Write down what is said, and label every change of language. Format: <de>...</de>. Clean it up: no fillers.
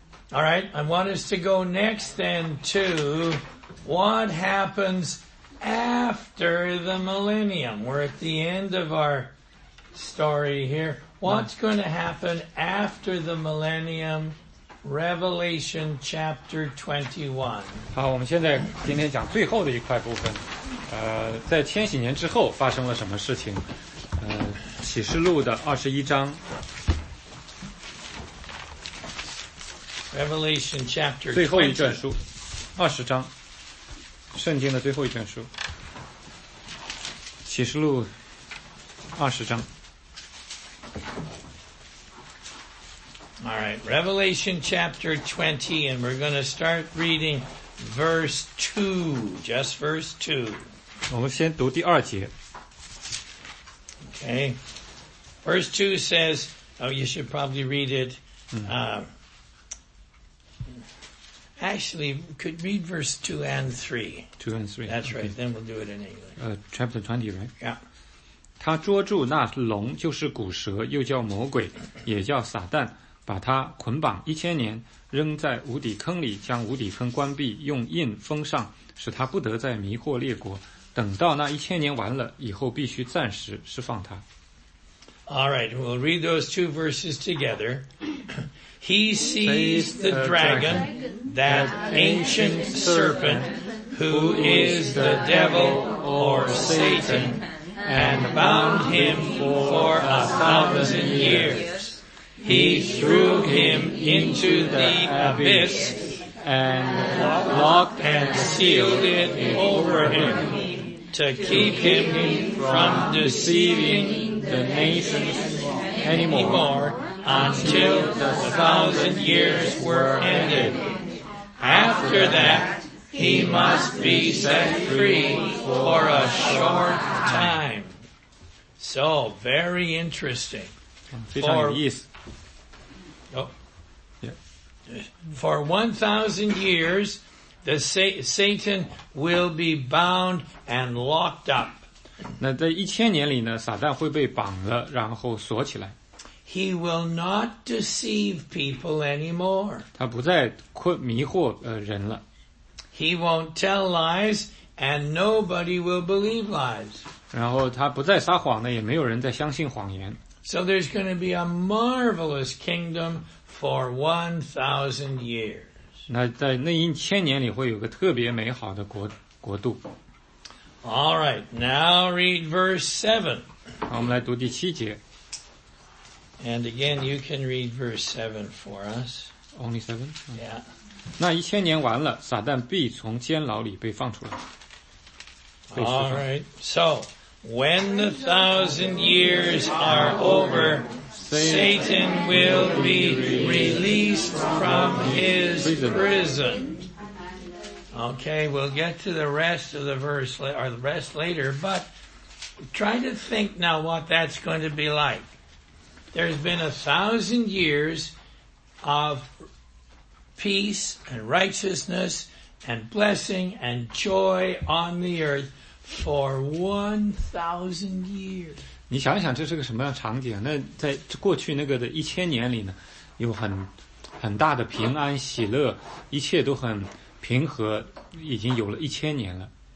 <en>？All right, I want us to go next then to what happens after the millennium. We're at the end of our story here. What's going to happen after the millennium Revelation chapter 21.</en> <zh>好，我们现在今天讲最后的一块部分。在千禧年之后发生了什么事情？启示录的21章。</zh> <en>Revelation chapter 20.</en> <zh>最后一卷书，20章，圣经的最后一卷书，启示录20章。</zh> <en>All right, Revelation chapter 20, and we're going to start reading verse 2, just verse 2.</en> <zh>我们先读第二节。</zh> <en>Okay, verse 2 says, oh, you should probably read it. Actually, could read verse 2 and 3. 2 and 3. That's right,、 okay. then we'll do it in English. Chapter 20, right? Yeah.</en> <zh>他捉住那龙，就是古蛇，又叫魔鬼，也叫撒旦，把他捆绑一千年，扔在无底坑里，将无底坑关闭，用印封上，使他不得再迷惑列国。等到那一千年完了以后，必须暂时释放他。</zh> <en>All right, we'll read those two verses together. He sees the dragon, that ancient serpent, who is the devil or Satan. And bound him for 1,000 years. He threw him into the abyss and locked and sealed it over him to keep him from deceiving the nations anymore until the 1,000 years were ended. After that, he must be set free for a short time. So, very interesting.</en> <zh>非常有意思。</zh> <en>For 1,000 years, the Satan will be bound and locked up.</en> <zh>那在一千年里呢，撒旦会被绑了，然后锁起来。</zh> <en>He will not deceive people anymore.</en> <zh>他不再迷惑人了。</zh> <en>He won't tell lies, and nobody will believe lies.</en> <zh>然后他不再撒谎呢，也没有人再相信谎言。</zh> <en>So there's going to be a marvelous kingdom for 1,000 years.</en> <zh>那在那一千年里会有个特别美好的国度。</zh> <en>All right, now read verse 7.</en> <zh>好，我们来读第七节。</zh> <en>And again, you can read verse 7 for us. Only 7? Yeah.</en> <zh>那一千年完了，撒旦必从监牢里被放出来。</zh> <en>Alright, so, when the 1,000 years are over, Satan will be released from his prison. Okay, we'll get to the rest of the verse, or the rest later, but try to think now what that's going to be like. There's been 1,000 years of peace and righteousness and blessing and joy on the earth. For 1,000 years.</en> <zh>你想想这是个什么样的场景？那在过去那个的一千年里呢，有很大的平安喜乐，一切都很平和，已经有了一千年了。</zh>